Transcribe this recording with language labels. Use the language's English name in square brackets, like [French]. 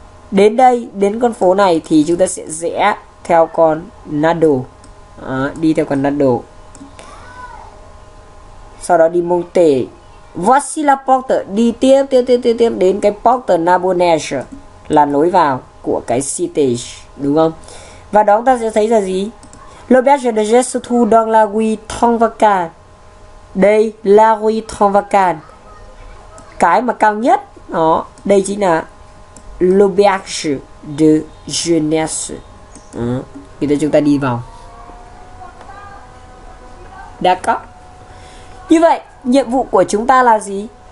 [Vietnamese] Đến đây, đến con phố này thì chúng ta sẽ rẽ theo con Nado. À, đi theo con Nado. Sau đó đi Monte. [French] Voici la porte. [Vietnamese] Đi tiếp, tiếp đến cái Porte Nabonese là lối vào của cái city, đúng không? Và đó ta sẽ thấy là gì? [French] L'auberge de Jesu dans la rue Tronvacan. [Vietnamese] Đây, la rue Tronvacan. Cái mà cao nhất, đó, đây chính là L'auberge de Jeunesse. Bây giờ chúng ta đi vào. Đã có. Như vậy, nhiệm vụ của chúng ta là gì?